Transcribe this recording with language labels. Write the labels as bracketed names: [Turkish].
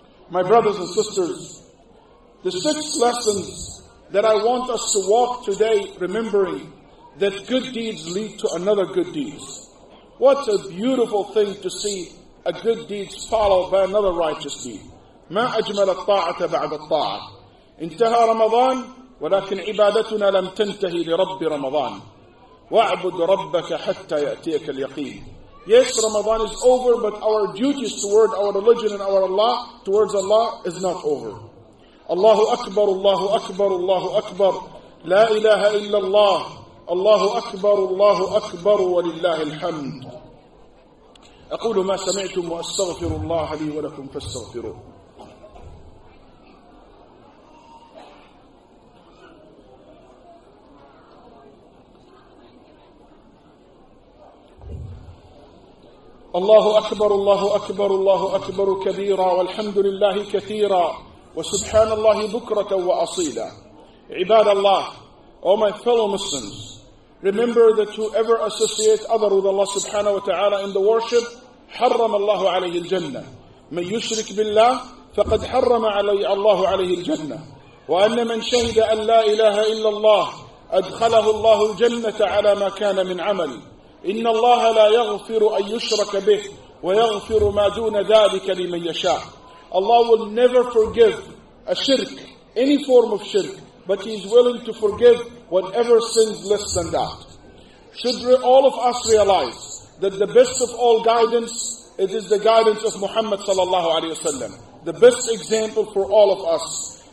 [English] My brothers and sisters, the sixth lesson that I want us to walk today, remembering that good deeds lead to another good deed. What a beautiful thing to see a good deed followed by another righteous deed. [Arabic] ما أجمل الطاعة بعد الطاعة. انتهى رمضان ولكن عبادتنا لم تنتهي لرب رمضان. واعبد ربك حتى يأتيك اليقين. [English] Yes, Ramadan is over, but our duties toward our religion and our Allah, towards Allah, is not over. [Arabic] Allahu Akbar, Allahu Akbar, Allahu Akbar. La ilaha illallah. Allahu Akbar, Allahu Akbar, wa lillahi alhamd. Aqulu ma sami'tum wa astaghfirullah li wa lakum fastaghfiruh. الله أكبر الله أكبر الله أكبر كبيرا والحمد لله كثيرا وسبحان الله بكرة وأصيلا عباد الله. [English] Oh my fellow Muslims, remember that whoever associates other with Allah subhanahu wa ta'ala in the worship, [Arabic] حرم الله عليه الجنة. من يشرك بالله فقد حرم عليه الله عليه الجنة. وأن من شهد أن لا إله إلا الله أدخله الله الجنة على ما كان من عمل. إن الله لا يغفر أن يشرك به ويغفر ما دون ذلك لمن يشاء. [English] Allah will never forgive a shirk, any form of shirk, but He is willing to forgive whatever sins less than that. Should all of us realize that the best of all guidance, it is the guidance of Muhammad sallallahu alayhi wasallam, the best example for all of us.